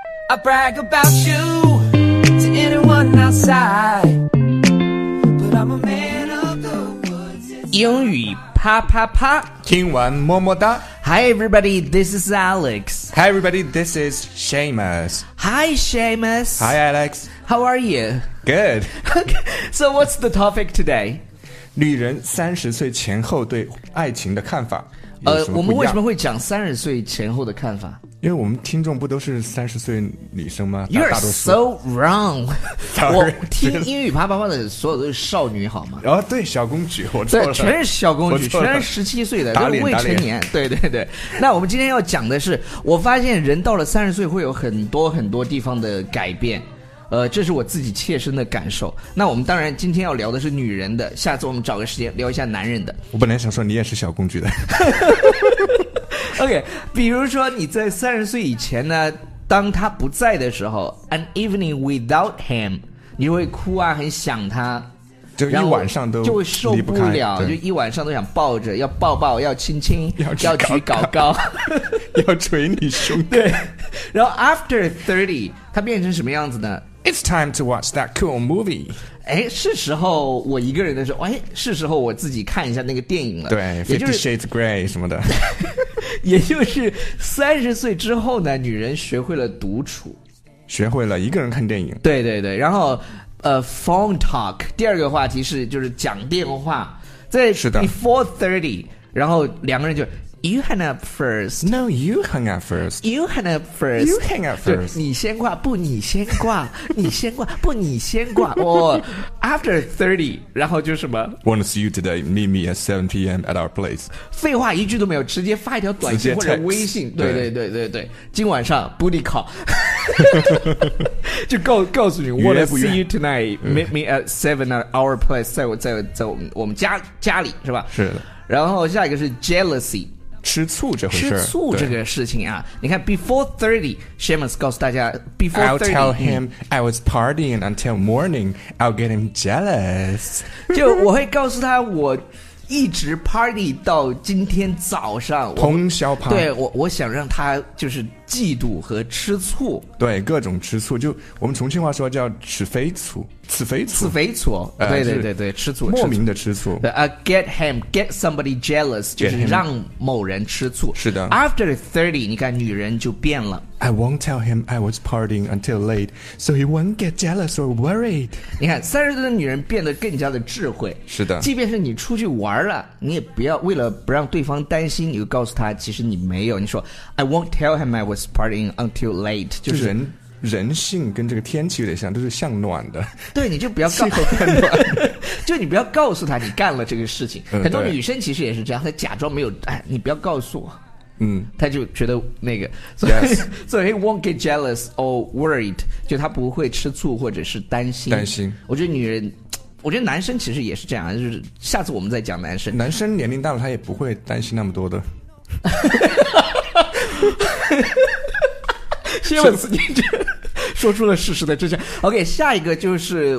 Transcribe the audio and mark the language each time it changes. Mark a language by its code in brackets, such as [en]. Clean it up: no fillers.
[en] I brag about you to anyone outside, but I'm a man of the woods. [zh] 英语啪啪啪，听完么么哒。 [en] Hi everybody, this is Alex. Hi everybody, this is Seamus. Hi Seamus. Hi Alex. How are you? Good. Okay, so what's the topic today? [zh] 女人三十岁前后对爱情的看法有什么不一样？我们为什么会讲三十岁前后的看法？因为我们听众不都是三十岁女生吗？ [en] You're so wrong. Sorry, [zh] 我听英语啪啪啪的所有都是少女好吗？哦，对，小公举，我错了。对，全是小公举，全是十七岁的，打脸，未成年。对对对。那我们今天要讲的是，我发现人到了三十岁会有很多很多地方的改变。这是我自己切身的感受。那我们当然今天要聊的是女人的，下次我们找个时间聊一下男人的。我本来想说你也是小工具的。 OK, 比如说你在三十岁以前呢，当他不在的时候 ， [en] an evening without him, [zh] 你会哭啊，很想他，就一晚上都就会受不了，就一晚上都想抱着，要抱抱，要亲亲，要举高高，要捶你胸。对，然后 [en] after 30, [zh] 他变成什么样子呢？ [en] It's time to watch that cool movie. [zh] 哎，是时候我一个人的时候，哎，是时候我自己看一下那个电影了。对 ，Fifty Shades Grey 什么的。也就是三十岁之后呢，女人学会了独处，学会了一个人看电影。对对对，然后phone talk。第二个话题是就是讲电话，在 [en] before 30, [zh] 然后两个人就。 [en] You hang up first. No, you hang up first. You hang up first. You hang up first. [zh] 你先挂，不，你先挂，你先挂，不，你先挂。 [en] After 30, [zh] 然后就什么 [en] ？Want to see you today. Meet me at 7 p.m. at our place. [zh] 废话一句都没有，直接发一条短信或者微信。 [en] Text, [zh] 对对对对对，今晚上 [en] booty call。 [zh] 就告诉你 [en] ，Want to see you tonight. Meet me at 7 at our place. [zh] 在我们家里是吧？是的。然后下一个是 jealousy。吃醋这回事，吃醋这个事情啊，你看 [en] before 30 [zh] Seamus 告诉大家 before 30 [en] I'll tell him I was partying until morning I'll get him jealous [zh] 就我会告诉他我一直 party 到今天早上通宵趴，对，我想让他就是嫉妒和吃醋，对，各种吃醋，就我们重庆话说叫吃肥醋，吃肥醋，吃肥醋，对对对对，吃醋，莫名的吃醋。 [en] Get somebody jealous, [zh] 就是让某人吃醋。是的。 [en] After 30, [zh] 你看女人就变了。 [en] I won't tell him I was partying until late, so he won't get jealous or worried. [zh] 你看三十岁的女人变得更加的智慧。是的。即便是你出去玩了，你也不要为了不让对方担心，你就告诉他其实你没有。你说 [en] I won't tell him I was partying until late [zh] 就是人性跟这个天气有点像，都是向暖的，对，你就不要告诉他就你不要告诉他你干了这个事情，很多女生其实也是这样，她假装没有，哎，你不要告诉我，她就觉得那个，所以， [en] yes. So he won't get jealous or worried, [zh] 就她不会吃醋或者是担心。我觉得女人，我觉得男生其实也是这样，就是下次我们再讲男生，男生年龄大了他也不会担心那么多的哈哈哈哈哈说出了事实的真相。 OK, 下一个就是